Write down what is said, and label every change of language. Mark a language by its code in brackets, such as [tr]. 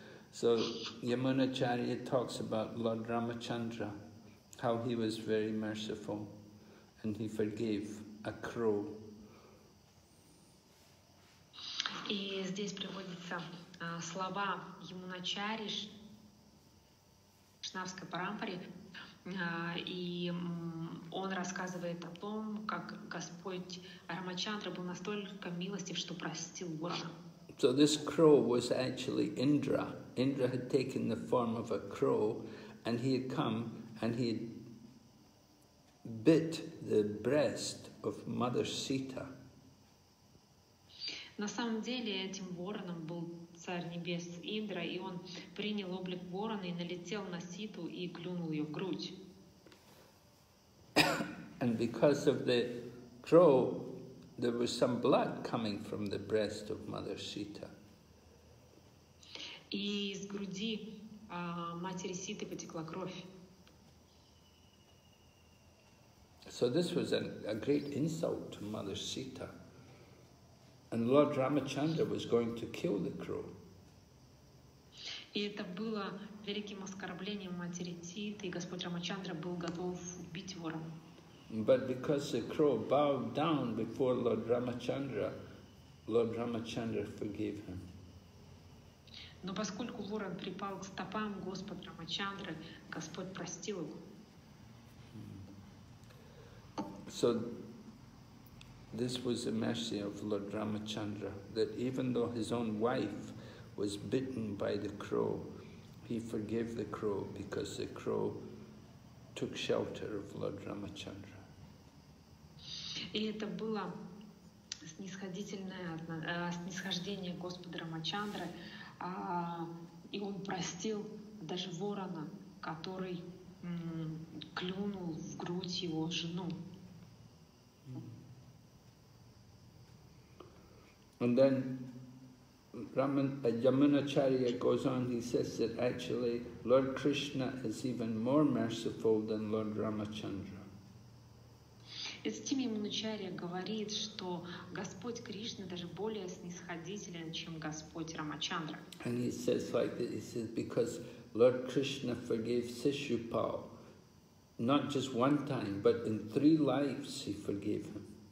[en] So Yamunacharya talks about Lord Ramachandra, how he was very merciful, and he forgave a crow. [ru] И здесь приводятся слова Ямуначари, Вайшнавской парампаре, и он рассказывает о том, как Господь Рамачандра был настолько милостив, что простил ворона. [en] So this crow was actually Indra. Indra had taken the form of a crow, and he had come and he had bit the breast of Mother Sita. [ru] На самом деле этим вороном был царь небес Индра, и он принял облик ворона и налетел на Ситу и клюнул ее в грудь. [en] And because of the crow, there was some blood coming from the breast of Mother Sita. [ru] И из груди матери Ситы потекла кровь. [en] So this was a great insult to Mother Sita. And Lord Ramachandra was going to kill the crow. [ru] И это было великим оскорблением матери Ситы, и Господь Рамачандра был готов убить ворона. [en] But because the crow bowed down before Lord Ramachandra forgave him. [ru] Но поскольку ворон припал к стопам Господа Рамачандры, Господь простил его. [en] So this was the mercy of Lord Ramachandra, that even though his own wife was bitten by the crow, he forgave the crow because the crow took shelter of Lord Ramachandra. [ru] И это было снисхождение Господа Рамачандры, и он простил даже ворона, который клюнул в грудь его жену. [en] And then Yamunacharya goes on, he says that actually Lord Krishna is even more merciful than Lord Ramachandra. [ru] Затем Ямуначарья говорит, что Господь Кришна даже более снисходителен, чем Господь Рамачандра. [en] And he says like this, he says, because Lord Krishna forgave Sishupal, not just one time, but in three lives he forgave him.